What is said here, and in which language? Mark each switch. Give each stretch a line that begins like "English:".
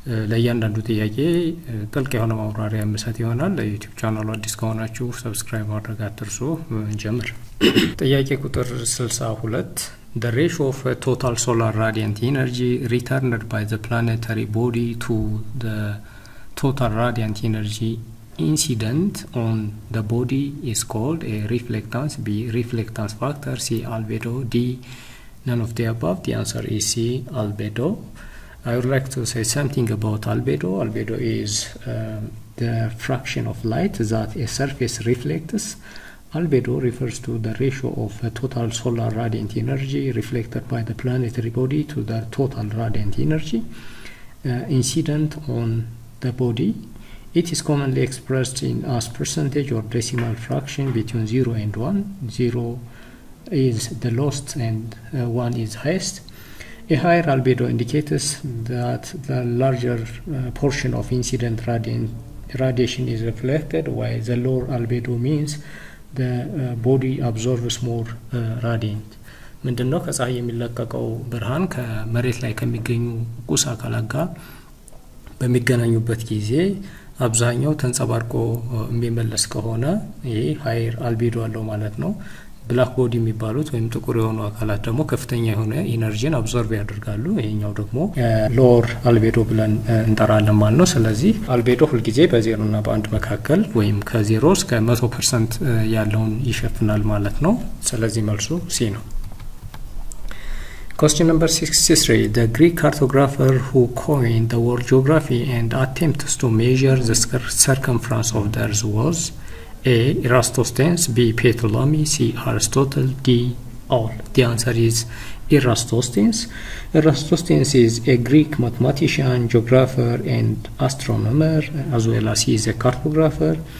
Amharic: ለእያንዳንዱ ጥያቄ ጥልቅ የሆነ ማብራሪያ የምሰጥ ይሆናል። ዩቲዩብ ቻናሉ አዲስ ከሆናችሁ ሰብስክራይብ ማድረግ አትርሱ። እንጀምር። ጥያቄ ቁጥር 62
English: The ratio of total solar radiant energy returned by the planetary body to the total radiant energy incident on the body is called a reflectance, B reflectance factor, C albedo, D none of the above. The answer is C albedo. I would like to say something about albedo. Albedo is the fraction of light that a surface reflects. Albedo refers to the ratio of total solar radiant energy reflected by the planetary body to the total radiant energy incident on the body. It is commonly expressed in as percentage or decimal fraction between 0 and 1. 0 is the lowest and 1 is highest. A higher albedo indicates that the larger portion of incident radiation is reflected, while the lower albedo means the body absorbs more radiant.
Amharic: ምንድነው ከፀሐይ የሚለቀቀው ብርሃን ከመሬት ላይ ከሚገኙ ቁስ አካላት ጋር በሚገናኙበት ጊዜ አብዛኛው ተንጸባርቆ የሚመለስ ከሆነ ይሄ ሃይር አልቤዶ አለው ማለት ነው። ብላክ ቦዲ የሚባሉት ወይም ጥቁር የሆኑ አካላት ደግሞ ከፍተኛ የሆነ ኢነርጂን አብዞርብ ያደርጋሉ። ይሄኛው ደግሞ ሎር አልቤዶ ብለን እንጠራለን ማለት ነው። ስለዚህ አልቤዶ ሁልጊዜ በዜሮ እና በአንድ መካከል ወይም ከዜሮ እስከ 100% ያለውን ይሸፍናል ማለት ነው። ስለዚህ መልሱ ሲ ነው።
English: Question number 63. The Greek cartographer who coined the word geography and attempts to measure the circumference of the earth was A. Eratosthenes, B. Ptolemy, C. Aristotle, D. All. The answer is Eratosthenes. Eratosthenes is a Greek mathematician, geographer, and astronomer, as well as he is a cartographer.